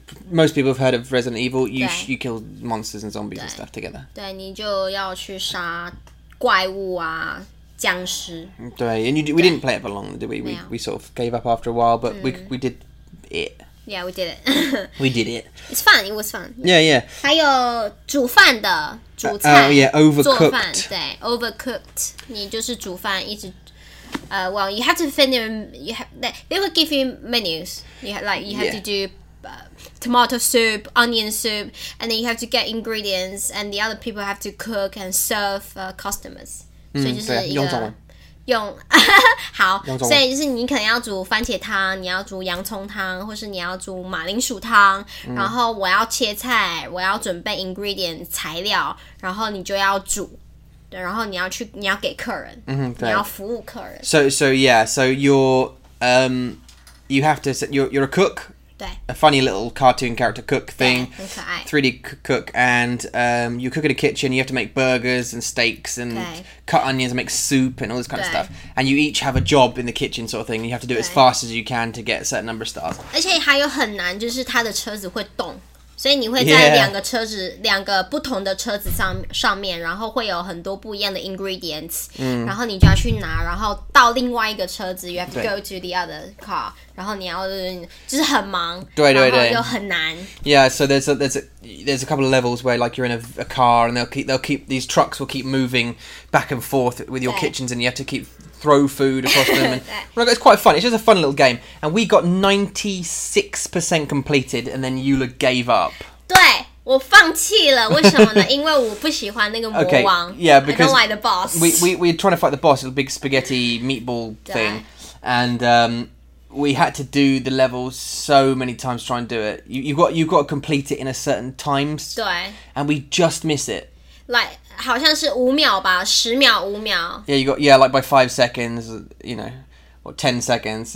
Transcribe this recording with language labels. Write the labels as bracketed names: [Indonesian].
[English] Most people have heard of Resident Evil. You kill monsters and zombies and stuff together. [Chinese] 对，你就要去杀怪物啊，僵尸。 [English] 对 ，and we didn't play it for long, did we? We sort of gave up after a while, but we did it. Yeah, we did it. We did it. It's fun. It was fun. Yeah, yeah. [Chinese] 还有煮饭的煮菜。 [English] Overcooked. [Chinese] 做饭对 overcooked. 你就是煮饭一直 [English] well, you have to finish. They will give you menus. You have to do tomato soup, onion soup, and then you have to get ingredients, and the other people have to cook and serve customers. [Chinese] 所以就是用中文。用好，所以就是你可能要煮番茄汤，你要煮洋葱汤，或是你要煮马铃薯汤。然后我要切菜，我要准备 ingredient 材料，然后你就要煮，然后你要去，你要给客人，你要服务客人。 [English] So you're you have to you're a cook, [Chinese] 对 [English] a funny little cartoon character cook thing, [Chinese] 很可爱 [English] 3D cook, and you cook in a kitchen. You have to make burgers and steaks and. Cut onions and make soup and all this kind of stuff. And you each have a job in the kitchen sort of thing. You have to do it as fast as you can to get a certain number of stars. [Chinese] 而且还有很难就是他的车子会动。所以你会在两个车子、两个不同的车子 上面，然后会有很多不一样的 ingredients、然后你就要去拿，然后到另外一个车子 [English] you have to go to the other car， [Chinese] 然后你要就是很忙，对对对，然后又很难。 [English] Yeah, so there's a couple of levels where like you're in a car and they'll keep these trucks will keep moving back and forth with your kitchens and you have to keep throw food across them. And it's quite fun. It's just a fun little game. And we got 96% completed, and then Eula gave up. [Chinese] 对，我放弃了。为什么呢？因为我不喜欢那个魔王。 [English] Okay, yeah, because I don't like the boss. We're trying to fight the boss. It's a big spaghetti meatball thing. And we had to do the levels so many times to try and do it. You've got to complete it in a certain time. [Chinese] 对。 [English] And we just miss it. Like... [Chinese] 好像是五秒吧，十秒五秒。 [English] Yeah, you got yeah, like by 5 seconds, you know, or 10 seconds.